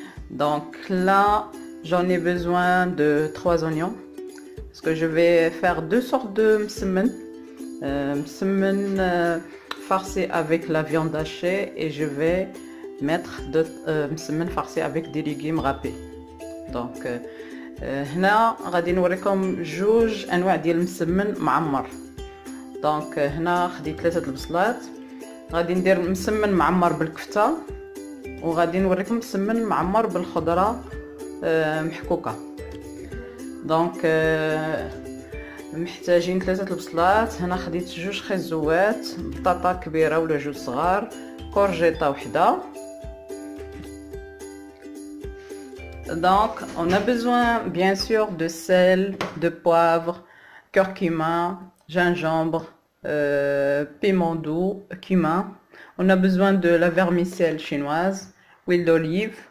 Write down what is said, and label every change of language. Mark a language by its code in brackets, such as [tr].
[fr] Donc là, j'en ai besoin de 3 oignons. Parce que je vais faire 2 sortes de semaines. Semaine farcée avec la viande hachée et je vais mettre semaine farcée avec des légumes râpés. [ar] Donc là, غادي نوريكم جوج انواع ديال المسمن معمر. Donc هنا خديت ثلاثة البصلات، غادي ندير مسمن معمر بالكفتة وغادي نوريكم مسمن معمر بالخضرة محكوكة. Donc محتاجين ثلاثة البصلات. هنا خديت جوج خيزوات، بطاطا كبيرة ولا جوج صغار، كورجيطة وحدة. [fr] Donc on a besoin bien sûr de sel, de poivre, curcuma, gingembre, piment doux, cumin. On a besoin de la vermicelle chinoise, huile d'olive.